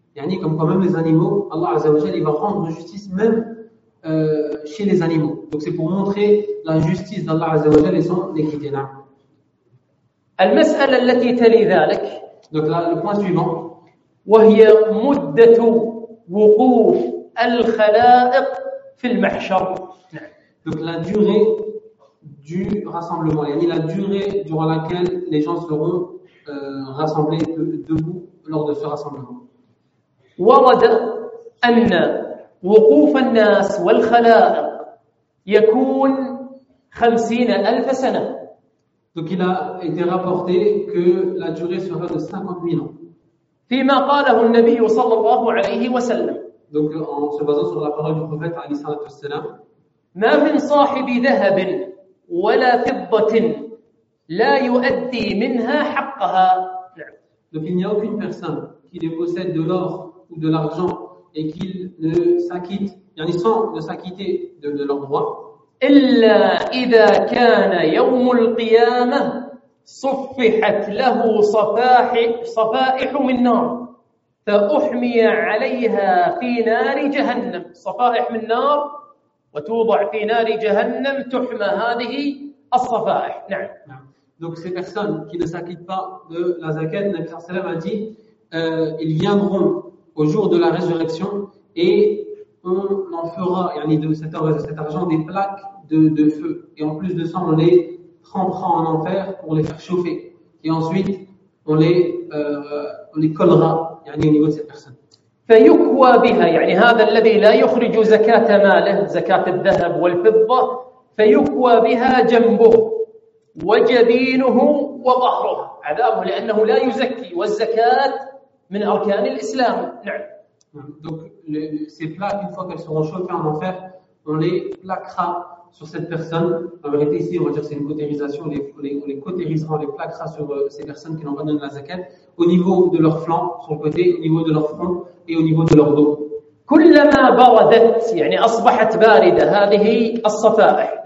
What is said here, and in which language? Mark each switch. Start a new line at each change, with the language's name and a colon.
French: Yani comme quand même les animaux, Allah Azza wa Jal va rendre justice même chez les animaux. Donc c'est pour montrer la justice d'Allah Azza wa Jal et son équité.
Arabic: المسألة التي تلي ذلك.
French: Donc là, le point suivant.
Arabic: وهي مدة وقوف الخلائق في المحشر.
French: Donc la durée du rassemblement, yani la durée durant laquelle les gens seront rassemblés debout lors de ce rassemblement.
Arabic: ورد أن وقوف الناس والخلائق يكون 50,000 سنة.
French: Donc il a été rapporté que la durée sera de 50,000 ans.
Arabic: فيما قاله النبي صلى الله عليه وسلم.
French: Donc en se basant sur la parole du prophète
Arabic: عليه الصلاة والسلام. ما من صاحب ذهب ولا فضة لا يؤدي منها حقها.
French: Donc il n'y a aucune personne qui ne possède de l'or ou de l'argent et qu'il ne s'acquitte, yani sans ne s'acquitter de leur droit.
Arabic: إلا إذا كان يوم القيامة صفحت له صفائح من نار فأحمي عليها في نار جهنم صفائح من نار وتوضع في نار جهنم تحمى هذه الصفائح. نعم.
French: Donc ces personnes qui ne s'acquittent pas de la zakat, le Prophète
Arabic: صلى الله عليه وسلم
French: a dit, ils viendront au jour de la résurrection et on en fera, yani de cet argent, des plaques de feu. Et en plus de ça, on les trempera en enfer pour les faire chauffer. Et ensuite, on les collera, yani au niveau de cette personne.
Arabic: فيكوى بها, يعني هذا الذي لا يخرج زكاة ماله, زكاة الذهب والفضة, فيكوى بها جنبه وجبينه وظهره, عذابه لأنه لا يزكي, والزكاة من أركان الإسلام. نعم.
French: Donc ces plaques, une fois qu'elles seront chauffées en enfer, on les plaquera sur cette personne. En vérité ici, on va dire que c'est une cautérisation, on les cautérisera, on les plaquera sur ces personnes qui n'ont pas donné la zakat, au niveau de leur flanc, sur le côté, au niveau de leur front et au niveau de leur dos.
Arabic: كلما بردت, يعني أصبحت باردة هذه الصفائح.